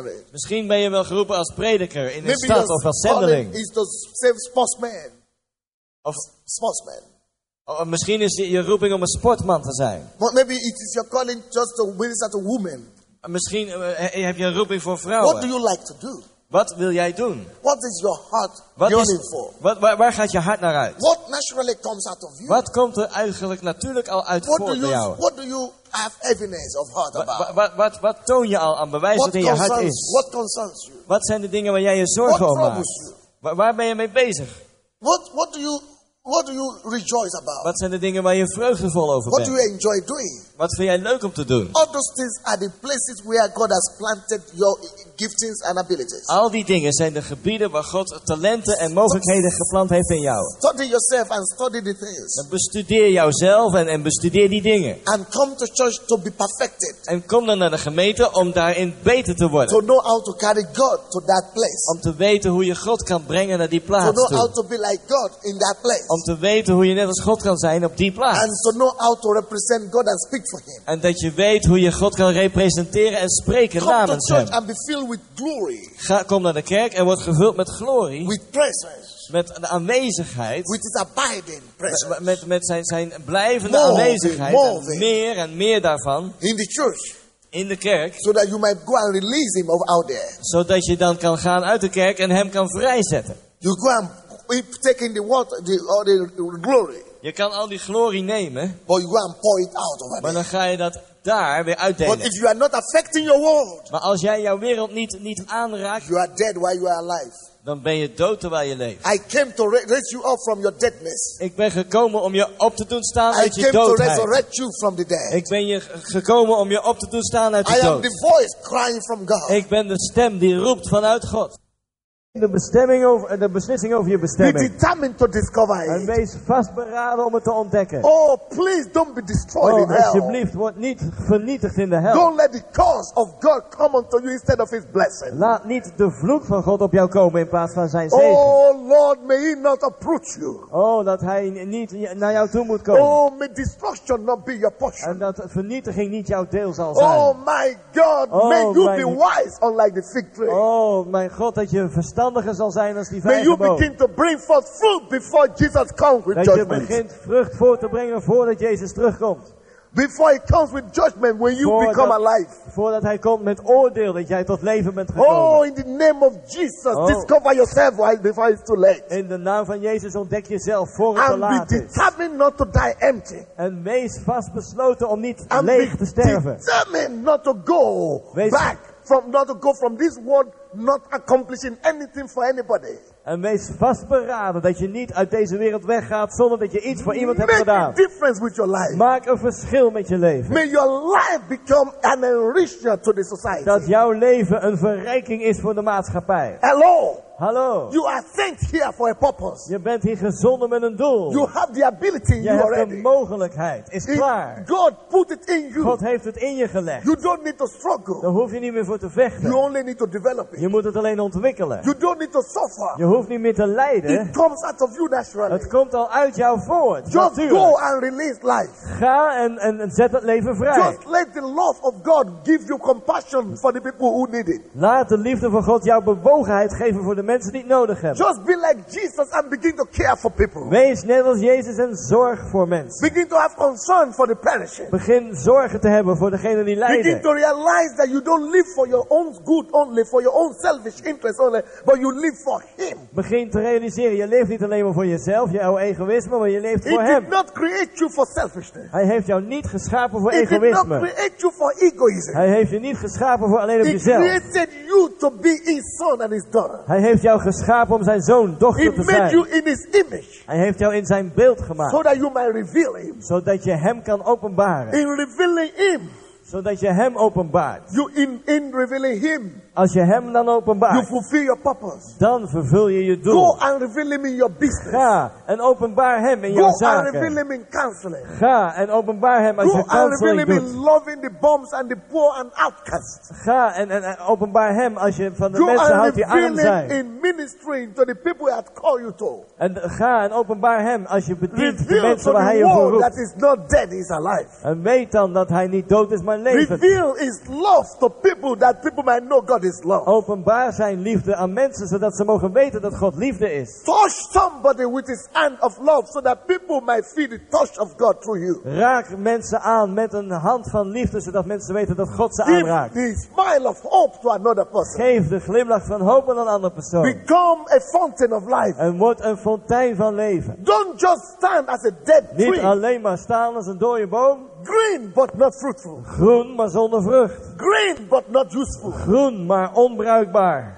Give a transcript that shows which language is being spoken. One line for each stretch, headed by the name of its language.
Dutch: Misschien ben je wel geroepen als prediker in een stad of als zendeling.
English: Is to save sportsmen.
Dutch: Of
English: sportsmen.
Dutch: Misschien is je roeping om een sportman te zijn.
English: But maybe it is your calling just to minister to women.
Dutch: Misschien heb je een roeping voor vrouwen.
English: What do you like to do?
Dutch: Wat wil jij doen?
English: What is your heart yearning for?
Dutch: Waar gaat je hart naar uit?
English: What naturally comes out of you?
Dutch: Wat komt er eigenlijk natuurlijk al uit
English: voor
Dutch: jou?
English: What do you have evidence of heart about?
Dutch: Wat toon je al aan bewijs dat in je hart is?
English: What concerns you?
Dutch: Wat zijn de dingen waar jij je zorgen om maakt?
English: What troubles you?
Dutch: Waar ben je mee bezig?
English: What do you What do you rejoice about?
Dutch: Wat zijn de dingen waar je vreugdevol over bent?
English: What do you enjoy doing?
Dutch: Wat vind jij leuk om te doen?
English: All those things are the places where God has planted your giftings and abilities.
Dutch: Al die dingen zijn de gebieden waar God talenten en mogelijkheden geplant heeft in jou.
English: Study yourself and study the things.
Dutch: En bestudeer jouzelf en bestudeer die dingen.
English: And come to church to be perfected.
Dutch: En kom dan naar de gemeente om daarin beter te worden.
English: To know how to carry God to that place.
Dutch: Om te weten hoe je God kan brengen naar die plaats.
English: To know how to be like God in that place.
Dutch: Om te weten hoe je net als God kan zijn op die plaats.
English: And to know how to represent God and speak for Him.
Dutch: En dat je weet hoe je God kan representeren en spreken
English: come
Dutch: namens
English: to church
Dutch: Hem.
English: And be filled with glory.
Dutch: Kom naar de kerk en word gevuld met glorie.
English: With presence.
Dutch: Met de aanwezigheid.
English: With His abiding presence.
Dutch: Met zijn blijvende
English: more
Dutch: aanwezigheid.
English: More
Dutch: meer en meer daarvan.
English: In the church.
Dutch: In de kerk.
English: So that you might go and release Him out there.
Dutch: Zodat je dan kan gaan uit de kerk en Hem kan vrijzetten.
English: You go and taking the water, the glory.
Dutch: Je kan al die glorie nemen.
English: But you go and pour it out over
Dutch: maar dan ga je dat daar weer uitdelen.
English: But if you are not affecting your world,
Dutch: maar als jij jouw wereld niet aanraakt.
English: You are dead while you are alive.
Dutch: Dan ben je dood terwijl je leeft.
English: I came to raise you up from your deadness.
Dutch: Ik ben gekomen om je op te doen staan uit
English: I
Dutch: je doodheid.
English: To resurrect you from the dead.
Dutch: Ik ben je gekomen om je op te doen staan uit de dood.
English: I am the voice crying from God.
Dutch: Ik ben de stem die roept vanuit God. De beslissing over je bestemming.
English: Be determined to discover it.
Dutch: En wees vastberaden om het te ontdekken.
English: Oh, please don't be destroyed in hell.
Dutch: Alsjeblieft, word niet vernietigd in de hel.
English: Don't let the curse of God come unto you instead of His blessing.
Dutch: Laat niet de vloek van God op jou komen in plaats van zijn zegen.
English: Oh Lord, may He not approach you.
Dutch: Oh, dat Hij niet naar jou toe moet komen.
English: Oh, may destruction not be your portion.
Dutch: En dat vernietiging niet jouw deel zal zijn.
English: Oh my God, may you be wise unlike the fig tree.
Dutch: Oh mijn God, dat je verstandig zal zijn als die vijgenboom.
English: May you begin to bring forth fruit before Jesus comes with judgment.
Dutch: Dat je begint vrucht voor te brengen voordat Jezus terugkomt.
English: Before He comes with judgment, when you become alive.
Dutch: Voordat Hij komt met oordeel, dat jij tot leven bent gekomen.
English: Oh, in the name of Jesus, discover yourself before it's too late.
Dutch: In de naam van Jezus ontdek jezelf voor het te laat is.
English: And be determined not to die empty.
Dutch: En wees vastbesloten om niet leeg te sterven.
English: And be determined not to go back. From not to go from this world not accomplishing anything for anybody.
Dutch: En wees vastberaden dat je niet uit deze wereld weggaat zonder dat je iets voor iemand hebt gedaan.
English: Make a difference with your life.
Dutch: Maak een verschil met je leven.
English: May your life become an enricher to the society.
Dutch: Dat jouw leven een verrijking is voor de maatschappij.
English: Hello.
Dutch: Hallo.
English: You are sent here for a purpose.
Dutch: Je bent hier gezonden met een doel.
English: You have the ability.
Dutch: Je hebt
English: already.
Dutch: De mogelijkheid.
English: Is it,
Dutch: klaar.
English: God put it in you.
Dutch: God heeft het in je gelegd.
English: You don't need to struggle.
Dutch: Daar hoef je niet meer voor te vechten.
English: You only need to develop it.
Dutch: Je moet het alleen ontwikkelen.
English: You don't need to suffer.
Dutch: Je hoeft niet meer te lijden.
English: It comes out of you naturally.
Dutch: Het komt al uit jou voort.
English: Just
Dutch: natuurlijk.
English: Go and release life.
Dutch: Ga en zet het leven vrij.
English: Just let the love of God give you compassion for the people who need it.
Dutch: Laat de liefde van God jouw bewogenheid geven voor de mensen die het nodig hebben.
English: Just be like Jesus and begin to care for people.
Dutch: Wees net als Jezus en zorg voor mensen.
English: Begin to have concern for the perishing.
Dutch: Begin zorgen te hebben voor degenen die lijden.
English: Begin to realize that you don't live for your own good only, for your own selfish interest only, but you live for Him.
Dutch: Begin te realiseren, je leeft niet alleen maar voor jezelf, jouw egoïsme, maar je leeft voor Hem.
English: He did not create you for selfishness.
Dutch: Hij heeft jou niet geschapen voor egoïsme.
English: He did not create you for egoism.
Dutch: Hij heeft je niet geschapen voor alleen op jezelf.
English: He created you to be His son and His daughter.
Dutch: Hij heeft jou geschapen om zijn zoon, dochter te zijn.
English: He made you in His image.
Dutch: Hij heeft jou in zijn beeld gemaakt.
English: So that you might reveal Him.
Dutch: Zodat je Hem kan openbaren.
English: In revealing Him.
Dutch: Zodat je Hem openbaart.
English: You in revealing Him.
Dutch: Als je Hem dan openbaart.
English: You fulfill your purpose.
Dutch: Dan vervul je je doel.
English: Go and reveal Him in your business.
Dutch: Ga en openbaar Hem in
English: Go
Dutch: jouw zaken.
English: And reveal Him in counseling.
Dutch: Ga en openbaar Hem als
English: Go
Dutch: je counseling doet.
English: Go and reveal Him in loving the bums and the poor and outcasts.
Dutch: Ga en openbaar Hem als je van de
English: Go
Dutch: mensen houdt die arm zijn.
English: In ministering to the people He had called you to.
Dutch: En ga en openbaar Hem als je bedient
English: reveal
Dutch: de mensen waar
English: the
Dutch: Hij je voor roept.
English: That is not dead, he's alive.
Dutch: En weet dan dat Hij niet dood is, maar leeft.
English: Reveal His love to people that people might know God.
Dutch: Openbaar zijn liefde aan mensen zodat ze mogen weten dat God liefde is.
English: Touch somebody with His hand of love so that people might feel the touch of God through you.
Dutch: Raak mensen aan met een hand van liefde zodat mensen weten dat God ze aanraakt.
English: Give the smile of hope to another person.
Dutch: Geef de glimlach van hoop aan een andere persoon.
English: Become a fountain of life.
Dutch: En word een fontein van leven.
English: Don't just stand as a dead tree.
Dutch: Niet alleen maar staan als een dode boom.
English: Green but not fruitful.
Dutch: Groen maar zonder vrucht.
English: Green but not useful.
Dutch: Groen maar onbruikbaar.